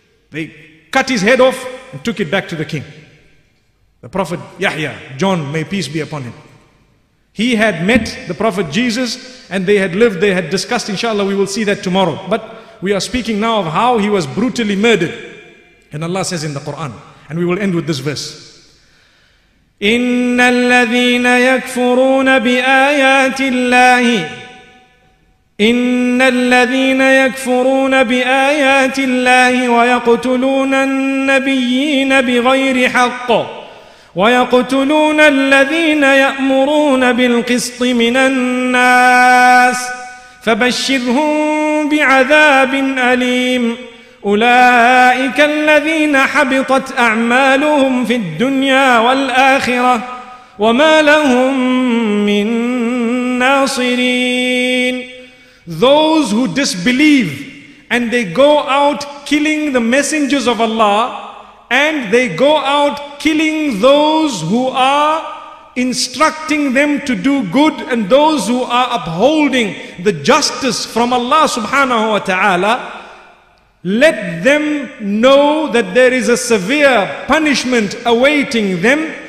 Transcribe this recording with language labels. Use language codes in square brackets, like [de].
[en] They cut his head off and took it back to the king. The Prophet Yahya, John, may peace be upon him. He had met the Prophet Jesus and they had lived, they had discussed, inshallah, we will see that tomorrow. But we are speaking now of how he was brutally murdered. And Allah says in the Quran, and we will end with this verse. [ar] إن الذين يكفرون بآيات الله إن الذين يكفرون بآيات الله ويقتلون النبيين بغير حق ويقتلون الذين يأمرون بالقسط من الناس فبشرهم بعذاب أليم أولئك الذين حبطت أعمالهم في الدنيا والآخرة وما لهم من ناصرين. [en] Those who disbelieve and they go out killing the messengers of Allah and they go out killing those who are instructing them to do good and those who are upholding the justice from Allah subhanahu wa ta'ala, let them know that there is a severe punishment awaiting them.